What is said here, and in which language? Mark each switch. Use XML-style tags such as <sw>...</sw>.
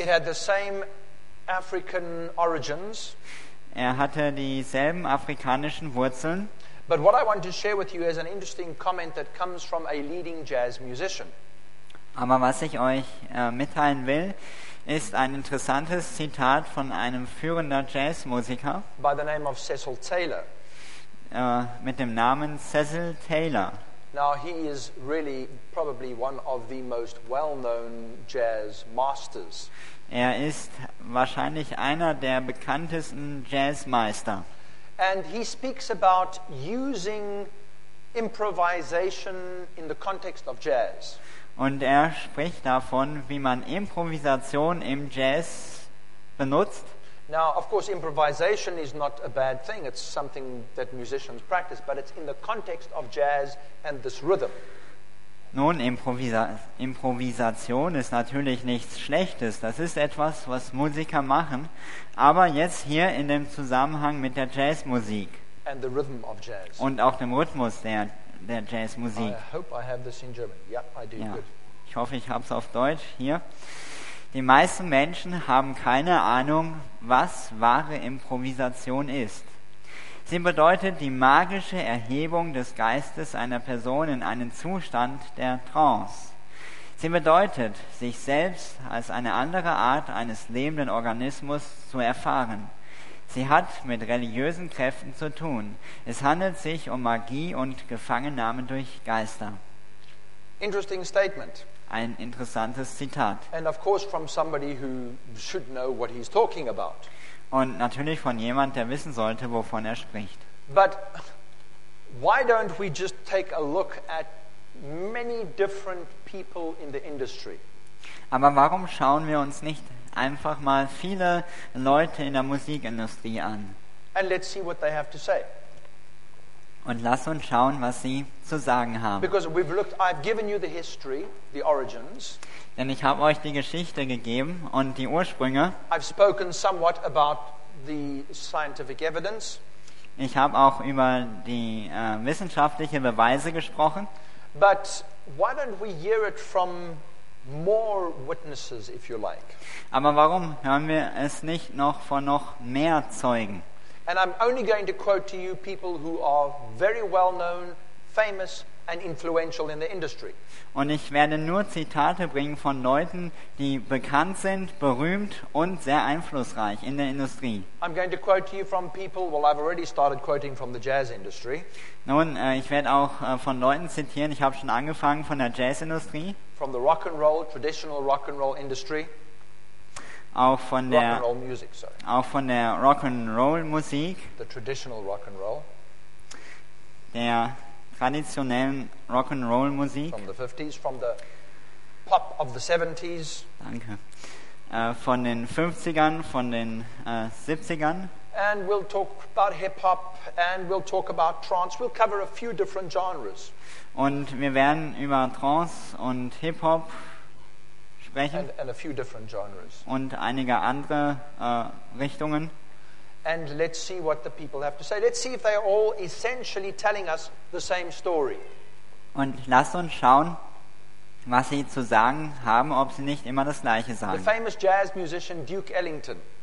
<en>It had the same African origins.</en> <de>Er hatte dieselben afrikanischen Wurzeln.</de> <en>But what I want to share with you is an interesting comment that comes from a leading jazz musician.</en> <de>Aber was ich euch mitteilen will, ist ein interessantes Zitat von einem führenden Jazzmusiker.</de> <en>By the name of Cecil Taylor.</en> <de>Mit dem Namen Cecil Taylor.</de> <en>Now he is really probably one of the most well-known jazz masters.</en> <de>Er ist wahrscheinlich einer der bekanntesten Jazzmeister.</de> <en>And he speaks about using improvisation in the context of jazz.</en> <de>Und er spricht davon, wie man Improvisation im Jazz benutzt.</de> <en>Now, of course, improvisation is not a bad thing. It's something that musicians practice, but it's in the context of jazz and this rhythm.</en> <de>Nun, Improvisation ist natürlich nichts Schlechtes. Das ist etwas, was Musiker machen. Aber jetzt hier in dem Zusammenhang mit der Jazzmusik.</de> <en>And the rhythm of jazz.</en> <de>Und auch dem Rhythmus der Jazzmusik.</de> <en>I hope I have this in German. Yeah, I do.</en> <de>Ja.</de> <en>Good.</en> <de>Ich hoffe, ich habe es auf Deutsch hier. Die meisten Menschen haben keine Ahnung, was wahre Improvisation ist. Sie bedeutet die magische Erhebung des Geistes einer Person in einen Zustand der Trance. Sie bedeutet, sich selbst als eine andere Art eines lebenden Organismus zu erfahren. Sie hat mit religiösen Kräften zu tun. Es handelt sich um Magie und Gefangennahme durch Geister.</de> <en>Interesting statement.</en> <de>Ein interessantes Zitat.</de> <en>And of course from somebody who should know what he's talking about.</en> <de>Und natürlich von jemand, der wissen sollte, wovon er spricht.</de> <en>But why don't we just take a look at many different people in the industry?</en> <de>Aber warum schauen wir uns nicht einfach mal viele Leute in der Musikindustrie an?</de> <en>And let's see what they have to say.</en> <de>Und lass uns schauen, was sie zu sagen haben.</de> <en>Because we've looked, I've given you the history, the origins.</en> <de>Denn ich habe euch die Geschichte gegeben und die Ursprünge.</de> <en>I've spoken somewhat about the scientific evidence.</en> <de>Ich habe auch über die wissenschaftlichen Beweise gesprochen.</de> <en>But why don't we hear it from more witnesses, if you like?</en> <de>Aber warum hören wir es nicht noch von noch mehr Zeugen?</de> <en>And I'm only going to quote to you people who are very well known, famous and influential in the industry.</en> <de>Und ich werde nur Zitate bringen von Leuten, die bekannt sind, berühmt und sehr einflussreich in der Industrie.</de> <en>I'm going to quote to you from people, well, I've already started quoting from the jazz industry.</en> <de>Nun, ich werde auch von Leuten zitieren, ich habe schon angefangen von der Jazzindustrie.</de> <en>From the rock and roll, traditional rock and roll industry.</en> <de>Auch von der</de> <en>Rock and Roll Music,</en> <de>auch von der Rock'n'Roll Musik,</de> <en>the traditional rock and roll,</en> <de>der traditionellen Rock'n'Roll Musik,</de> <en>from the 50s, from the pop of the 70s,</en> <de>danke, von den 50ern, von den 70ern,</de> <en>and we'll talk about hip hop and we'll talk about trance, we'll cover a few different genres,</en> <de>und wir werden über Trance und Hip Hop</de> <en>and a few different genres.</en> <de>Und einige andere Richtungen.</de> <en>And let's see what the people have to say. Let's see if they are all essentially telling us the same story.</en> <de>Und lasst uns schauen, was sie zu sagen haben, ob sie nicht immer das Gleiche sagen.</de> <en>The famous jazz musician Duke Ellington.</en>